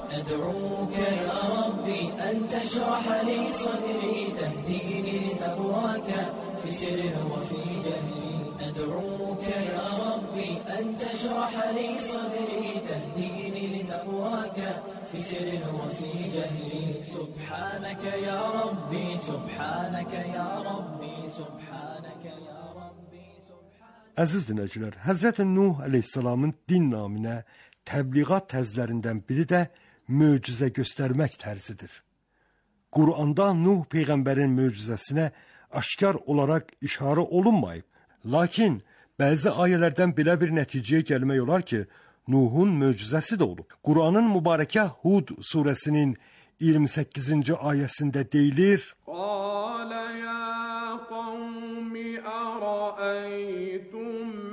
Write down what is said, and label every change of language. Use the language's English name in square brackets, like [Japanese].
[Arabic] أدعوك يا ربي أن تشرح لي صدري تهديني لتقواك في سر وفي جهلي أدعوك يا ربي أن تشرح لي صدري تهديني لتقواك في سر وفي جهلي سبحانك يا ربي سبحانك يا ربي سبحانك [Azerbaijani] Əziz dinləyicilər, Həzrət-i Nuh əleyhissalamın din naminə təbliğat tərzlərindən biri də möcüzə göstərmək tərzidir. Quranda Nuh Peyğəmbərin möcüzəsinə aşkar olaraq işarə olunmayıb, lakin bəzi ayələrdən belə bir nəticəyə gəlmək olar ki, Nuhun möcüzəsi də olub. Quranın mübarəkə Hud surəsinin 28-ci ayəsində deyilir, [Arabic] Qalə ya qavmi əraəytum